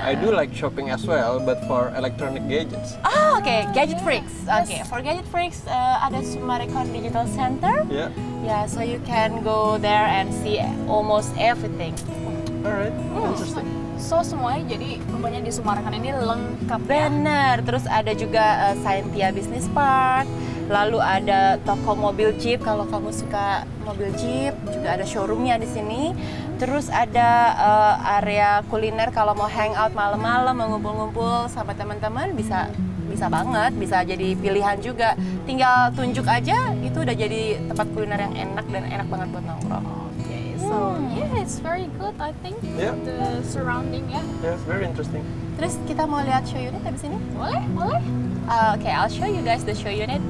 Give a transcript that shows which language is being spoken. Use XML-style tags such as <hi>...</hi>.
<en>I do like shopping as well, but for electronic gadgets. Oh, oke. Okay. Gadget freaks. Oke, okay. For gadget freaks,</en> <id>ada</id> <en>Sumarekon Digital Center. Yeah, so you can go there and see almost everything. Alright, interesting.</en> <id>So semuanya jadi rupanya di Sumarekon ini lengkap. Bener, terus ada juga Scientia Business Park. Lalu ada toko mobil Jeep, kalau kamu suka mobil Jeep, juga ada showroomnya di sini. Terus ada area kuliner, kalau mau hangout malam-malam, ngumpul-ngumpul sama teman-teman, bisa banget, bisa jadi pilihan juga. Tinggal tunjuk aja, itu udah jadi tempat kuliner yang enak dan enak banget buat nongkrong.</id> <en>Yeah, it's very good, I think, the surrounding, it's very interesting.</en> <id>Terus kita mau lihat show unit abis ini? Boleh, boleh.</id> <en>Okay, I'll show you guys the show unit</en>